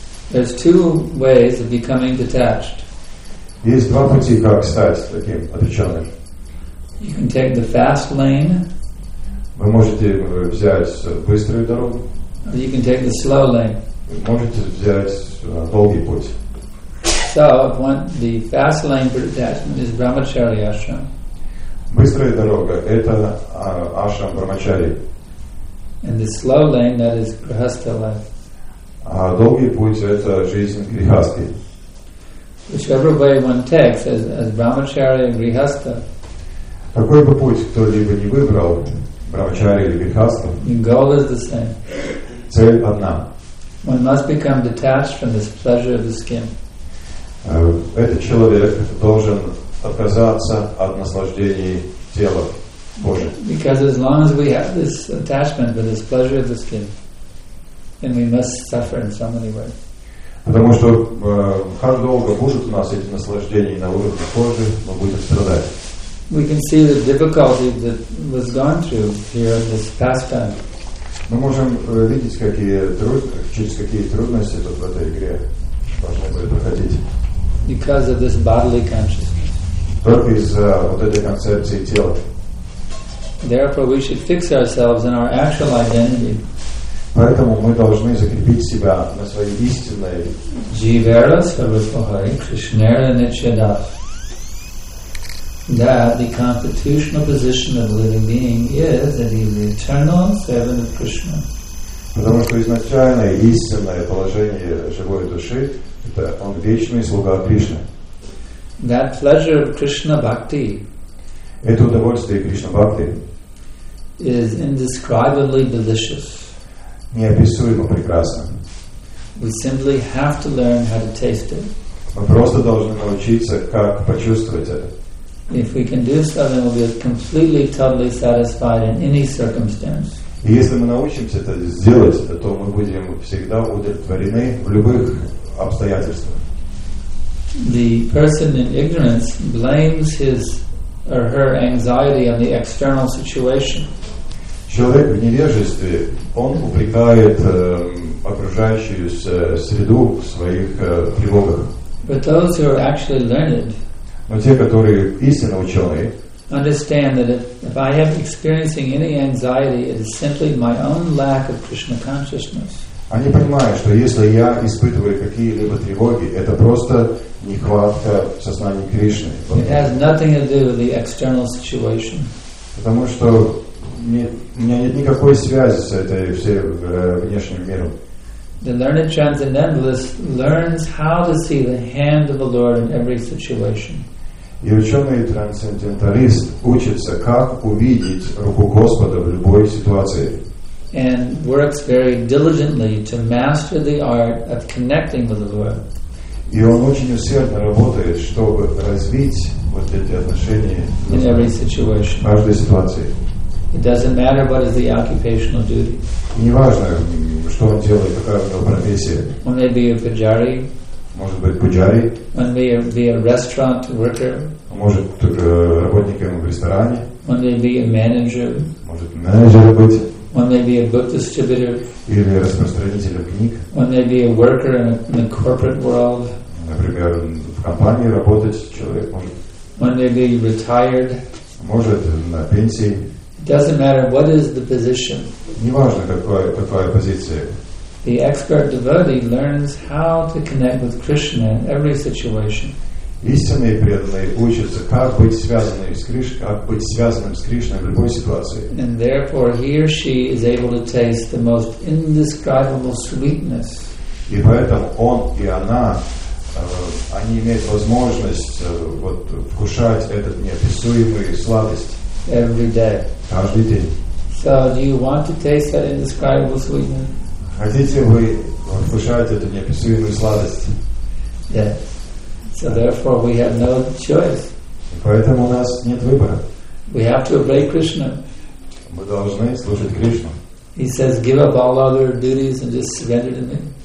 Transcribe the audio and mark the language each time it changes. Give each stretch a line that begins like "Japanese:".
English: There's two ways of becoming detached.
Russian: Есть два пути, как стать таким отреченным.
English: You can take the fast lane.
Russian: Вы можете взять быструю дорогу.
English: You can take the slow lane.
Russian: Вы можете взять долгий путь.
English: So, one, the fast lane for detachment is brahmachari ashram.
Russian: Быстрая дорога – это ашрам брахмачари.
English: And the slow lane, that is grihastha life.
Russian: А долгий путь – это жизнь грихасты.
English: Whichever way one takes, as brahmachari and grihastha,
Russian: какой бы путь кто-либо не выбрал, брахмачари или грихастха,
English: the goal is the same.
Russian: Цель одна.
English: One must become detached from the pleasure of the skin.
Russian: Этот человек должен отказаться от наслаждений тела Божьего.
English: Because as long as we have this attachment with this pleasure of the skin, then we must suffer in so many ways.
Russian: Потому что как долго будут у нас эти наслаждения на уровне кожи, мы будем страдать.
English: We can see the difficulty that was gone through here in this pastime.
Russian: Мы можем видеть, через какие трудности тут в этой игре должны были проходить.
English: Because of this bodily consciousness.
Russian: Только из-за вот этой концепции тела.
English: Therefore, we should fix ourselves in our actual identity.
Russian: Поэтому мы должны закрепить себя на своей истинной.
Bangla: Jivera svarupahari krishnera nityadah.
English: That the constitutional position of a living being is that he is the eternal servant of Krishna.
Russian: Потому что изначальное истинное положение живой души — это он вечный слуга Кришны.
English: That pleasure of Krishna bhakti,
Russian: это удовольствие Кришна бхакти,
English: is indescribably delicious.
Russian: Неописуемо прекрасно.
English: We simply have to learn how to taste it.
Russian: Мы просто должны научиться, как почувствовать это.
English: If we can do so, then we'll be completely, totally satisfied in any circumstance.
Russian: И если мы научимся это сделать, то мы будем всегда удовлетворены в любых обстоятельствах.
English: The person in ignorance blames his or her anxiety on the external situation.
Russian: Человек в невежестве, он упрекает окружающую среду в своих тревогах.
English: But those who are actually learned,
Russian: но те, которые истинно ученые,
English: understand that if I am experiencing any anxiety, it is simply my own lack of Krishna consciousness.
Russian: Они понимают, что если я испытываю какие-либо тревоги, это просто нехватка сознания Кришны.
English: It has nothing to do with the external situation.
Russian: Потому что у меня нет никакой связи с этой всей внешним миром.
English: The learned transcendentalist learns how to see the hand of the Lord in every situation.
Russian: И ученый-трансценденталист учится, как увидеть руку Господа в любой ситуации.
English: And works very diligently to master the art of connecting with the Lord.
Russian: И он очень усердно работает, чтобы развить вот эти отношения
English: in every situation.
Russian: В каждой ситуации.
English: It doesn't matter what is the occupational duty.
Russian: И неважно, что он делает, какая у него профессия. Он
English: may be a pujari.
Russian: Может быть, пуджари.
English: One may be a restaurant worker.
Russian: Может, работником в ресторане.
English: One may be a manager.
Russian: Может, менеджером быть.
English: One may be a book distributor.
Russian: Или распространителем книг.
English: One may be a worker in the corporate world.
Russian: Например, в компании работать человек может.
English: One may be retired.
Russian: Может, на пенсии.
English: It doesn't matter what is the position.
Russian: Неважно, какая позиция.
English: The expert devotee learns how to connect with Krishna in every situation.
Russian: Истинные преданные учатся, как быть связанным с Кришной, как быть связанным с Кришной в любой ситуации.
English: And therefore, he or she is able to taste the most indescribable sweetness.
Russian: И поэтому он и она они имеют возможность вот вкушать этот неописуемый сладость.
English: Every day.
Russian: Каждый день.
English: So do you want to taste that indescribable sweetness?
Russian: Хотите вы вкушать эту неописуемую сладость?
English: Yeah. So therefore we have no choice.
Russian: И поэтому у нас нет выбора.
English: We have to obey Krishna.
Russian: Мы должны служить Кришну.
English: He says, give up all other duties and just surrender to me.